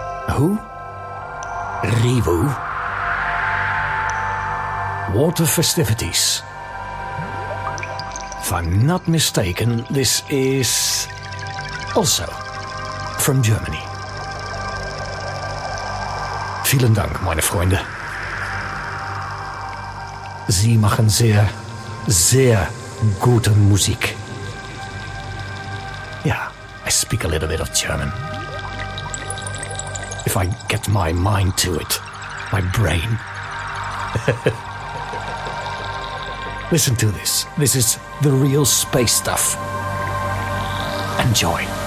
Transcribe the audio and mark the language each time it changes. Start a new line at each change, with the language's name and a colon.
English: Who? Rivo. Water Festivities. If I'm not mistaken, this is also from Germany.
German: Vielen Dank, meine Freunde. Sie machen sehr, sehr gute Musik.
English: Yeah, I speak a little bit of German. If I get my mind to it, my brain. Listen to this. This is the real space stuff. Enjoy.